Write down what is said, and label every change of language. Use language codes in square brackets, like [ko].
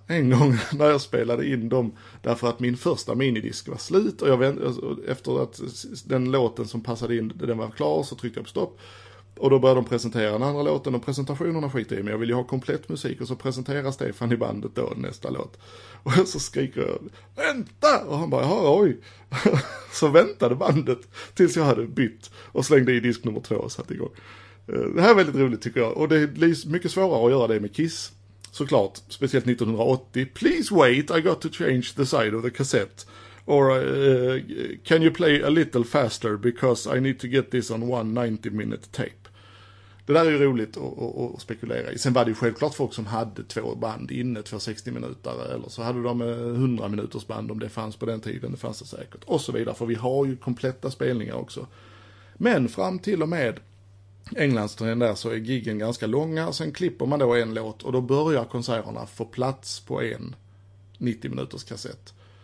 [sv] en gång när jag spelade in dem, därför att min första minidisk var slut och efter att den låten som passade in, den var klar, så tryckte jag på stopp och då började de presentera den andra låten och presentationerna skiter i mig, jag vill ju ha komplett musik, och så presenterar Stefan i bandet då nästa låt, och så skriker jag "Vänta!" och han bara "Oj." Så väntade bandet tills jag hade bytt och slängde i disk nummer 2 och satt igång. Det här är väldigt roligt tycker jag, och det blir mycket svårare att göra det med Kiss. Såklart, speciellt 1980. [en] "Please wait, I got to change the side of the cassette. Or can you play a little faster because I need to get this on one 90-minute tape." [sv] Det där är ju roligt att spekulera i. Sen var det ju självklart folk som hade två band inne, två 60-minuter. Eller så hade de 100-minuters band om det fanns på den tiden, det fanns det säkert. Och så vidare, för vi har ju kompletta spelningar också. Men fram till och med Englandsturnén där så är giggen ganska långa, sen klipper man då en låt och då börjar konserterna få plats på en 90-minuters kassett.